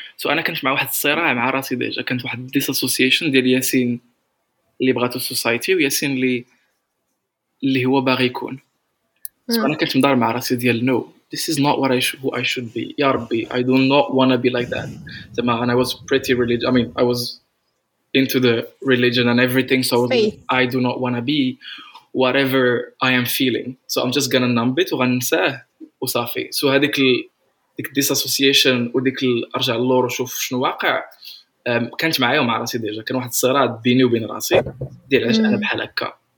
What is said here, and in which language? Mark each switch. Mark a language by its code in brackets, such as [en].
[ar] So أنا كنت مع واحد الصراع مع راسي ديجا كنت واحد [en] disassociation [ar] ديال ياسين اللي بغاتو society وياسين اللي هو باغي يكون. So أنا كنت مدار مع راسي ديال no. [en] This is not who I should be. [ar] يا ربي, [en] I do not want to be like that. And I was pretty religious. I mean, I was into the religion and everything, so I do not want to be whatever I am feeling. So I'm just gonna numb it [ar] وغنسى وصافي. So هذيك ديك disassociation وديك أرجع للور وشوف شنو واقع كانت معايا ومع راسي ديجا كان واحد الصراع بيني وبين راسي ديال علاش أنا بحال هكا